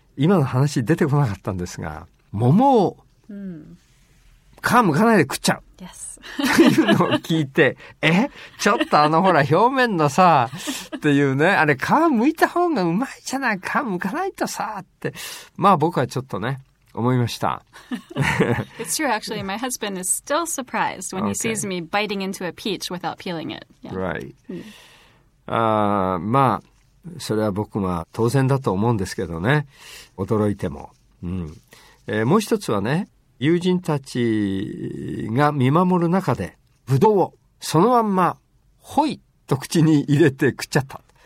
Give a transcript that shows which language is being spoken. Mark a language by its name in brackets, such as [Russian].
[Japanese] 今の話出てこなかったんですが、桃を皮むかないで食っちゃう、 [English] yes. [Japanese] というのを聞いて、え、ちょっとあのほら表面のさっていうね、あれ皮むいた方がうまいじゃない、皮むかないとさって、まあ僕はちょっとね思いました。 [English] It's true actually. My husband is still surprised when he sees me biting into a peach without peeling it. Yeah. Right. [Japanese] まあそれは僕も当然だと思うんですけどね、驚いても、うん、もう一つはね、友人たちが見守る中でブドウをそのまんまホイと口に入れて食っちゃった。